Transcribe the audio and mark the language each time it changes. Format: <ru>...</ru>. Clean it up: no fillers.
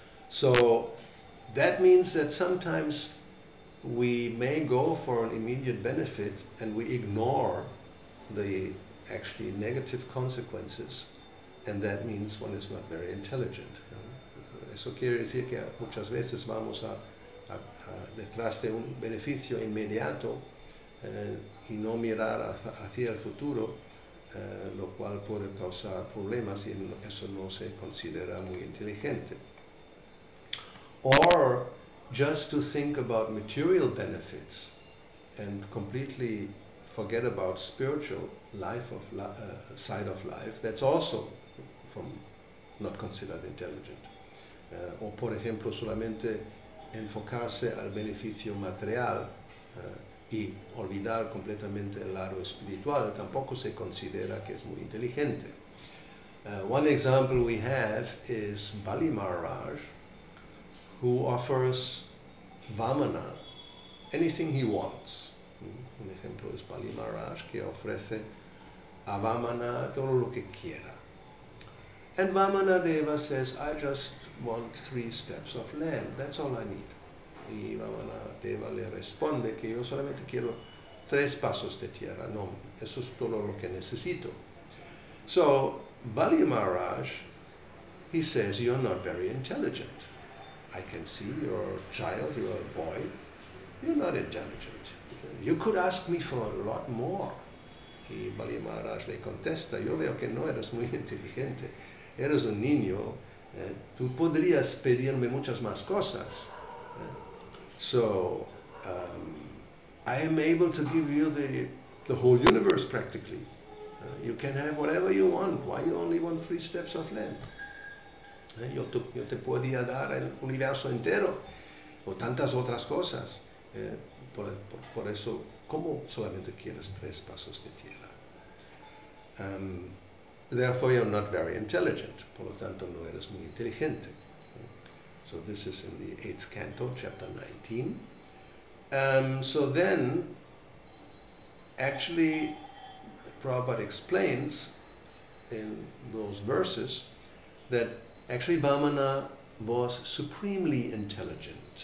<en>So that means that sometimes we may go for an immediate benefit and we ignore the actually negative consequences, and that means one is not very intelligent.</en> <es>Eso quiere decir que muchas veces vamos a detrás de un beneficio inmediato y no mirar hacia el futuro, lo cual puede causar problemas y eso no se considera muy inteligente.</es> <en>Or just to think about material benefits and completely forget about spiritual life of side of life, that's also from not considered intelligent.</en> <es>Or por ejemplo solamente enfocarse al beneficio material y olvidar completamente el lado espiritual, tampoco se considera que es muy inteligente.</es> <en>One example we have is Bali Maharaj, who offers Vamana anything he wants.</en> <es>Un ejemplo es Bali Maharaj, que ofrece a Vamana todo lo que quiera.</es> <en>And Vamana Deva says, I just want 3 steps of land, that's all I need.</en> <es>Y Vamana Deva le responde que yo solamente quiero 3 pasos de tierra, no, eso es todo lo que necesito.</es> <en>So, Bali Maharaj, he says, you're not very intelligent. I can see your child, your boy, you're not intelligent. You could ask me for a lot more.</en> <es>Y Bali Maharaj le contesta, yo veo que no eres muy inteligente. Eres un niño, tú podrías pedirme muchas más cosas.</es> <en>So, I am able to give you the whole universe practically. You can have whatever you want. Why you only want 3 steps of land?</en> <es>Yo te podría dar el universo entero o tantas otras cosas. Por eso, ¿cómo solamente quieres 3 pasos de tierra?</es> <en>Therefore, you're not very intelligent.</en> <es>Por lo tanto, no eres muy inteligente.</es> <en>So this is in the 8th canto, chapter 19. So then, actually, Prabhupada explains in those verses that actually Vamana was supremely intelligent.</en>